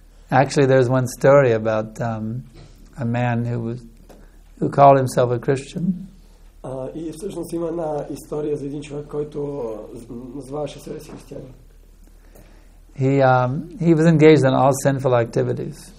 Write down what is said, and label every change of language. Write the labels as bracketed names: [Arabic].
[English] Actually, there's one story about a man who called himself a Christian. [Bulgarian] И всъщност има една история за един човек, който называваше себе си християнин. [English] He was engaged in all sinful activities.